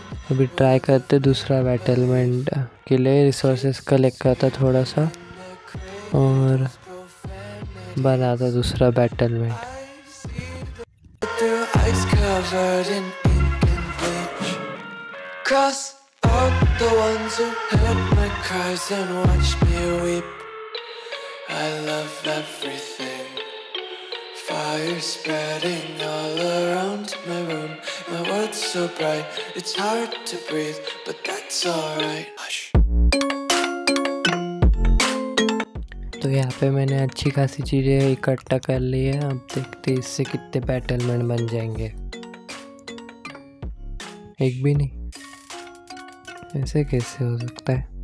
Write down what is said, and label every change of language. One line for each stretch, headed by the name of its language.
Hindi: अभी ट्राई करते दूसरा बैटलमैन के लिए रिसोर्सेस कलेक्ट करता थोड़ा सा और बनाता दूसरा बैटलमैन।
English: Fire spreading all around my room. My world's so bright, it's hard to breathe, but that's alright. Hush.
Hindi: तो यहाँ पे मैंने अच्छी खासी चीज़ें इकट्ठा कर ली है, अब देखते हैं इससे कितने बैटलमैन बन जाएंगे। एक भी नहीं, ऐसे कैसे हो सकता है।